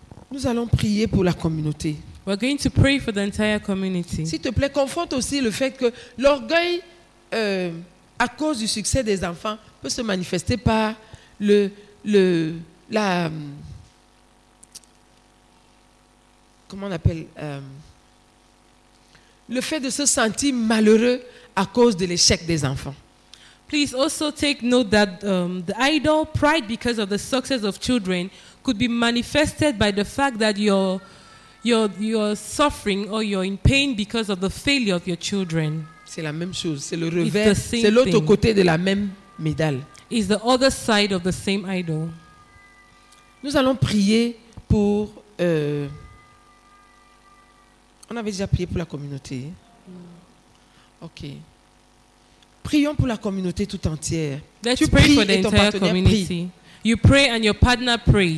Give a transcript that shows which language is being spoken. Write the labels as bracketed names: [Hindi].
[French] Nous allons prier pour la communauté. [English] We're going to pray for the entire community. [French] S'il te plaît, confronte aussi le fait que l'orgueil à cause du succès des enfants peut se manifester par le fait de se sentir malheureux à cause de l'échec des enfants. [English] Please also take note that the idol pride because of the success of children could be manifested by the fact that you're suffering or you're in pain because of the failure of your children. [French] C'est la même chose, c'est le revers, c'est l'autre côté de la même médaille. [English] It's the other side of the same idol. [French] Nous allons prier pour on avait déjà prié pour la communauté. OK. Prions pour la communauté tout entière. [English] Let's pray for the entire community. You pray and your partner prays.